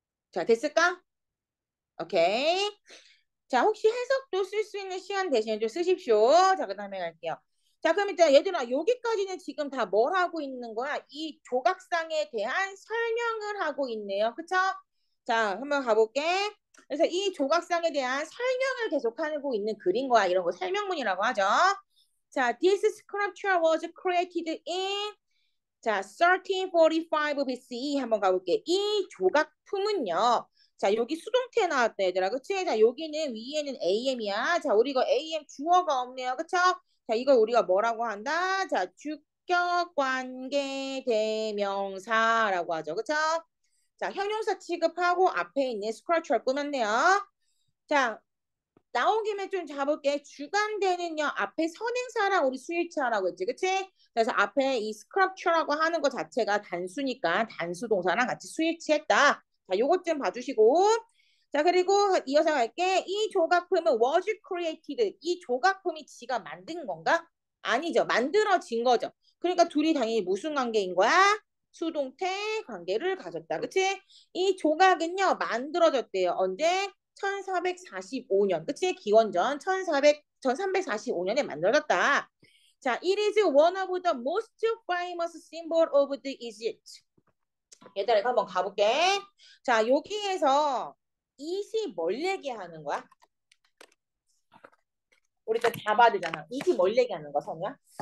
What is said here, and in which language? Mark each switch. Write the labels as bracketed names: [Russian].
[Korean] 자, 됐을까? 오케이. 자, 혹시 해석도 쓸수 있는 시간 되시면 좀 쓰십시오. 자, 그 다음에 갈게요. 자, 그럼 이제 얘들아, 여기까지는 지금 다뭘 하고 있는 거야? 이 조각상에 대한 설명을 하고 있네요. 그쵸? 자, 한번 가볼게. 그래서 이 조각상에 대한 설명을 계속하고 있는 글인 거야. 이런 거 설명문이라고 하죠. [English] 자, this sculpture was created in 자, 1345 BC. [Korean] 한번 가볼게. 이 조각품은요. 자, 여기 수동태 나왔다, 얘들아. 그치? 자, 여기는 위에는 AM이야. 자, 우리 이거 AM 주어가 없네요. 그쵸? 자, 이걸 우리가 뭐라고 한다? 자, 주격 관계 대명사라고 하죠. 그쵸? 자, 형용사 취급하고 앞에 있는 스크래처를 꾸몄네요. 자, 나온 김에 좀 잡을게. 주관대는요, 앞에 선행사랑 우리 수일치하라고 했지, 그치? 그래서 앞에 이 스크래처라고 하는 것 자체가 단수니까 단수동사랑 같이 수일치했다. 자, 요것 좀 봐주시고. 자, 그리고 이어서 갈게. 이 조각품은 [English] was created. [Korean] 이 조각품이 지가 만든 건가? 아니죠. 만들어진 거죠. 그러니까 둘이 당연히 무슨 관계인 거야? 수동태 관계를 가졌다. 그치? 이 조각은요, 만들어졌대요. 언제? 1445년. 그치? 기원전 1345년에 만들어졌다. [English] 자, it is one of the most famous symbol of the Egypt. [Korean] 얘들아, 이거 한번 가볼게. 자, 여기에서 it이 뭘 얘기하는 거야? 우리 또 잡아야 되잖아. it이 뭘 얘기하는 거야, 성냐?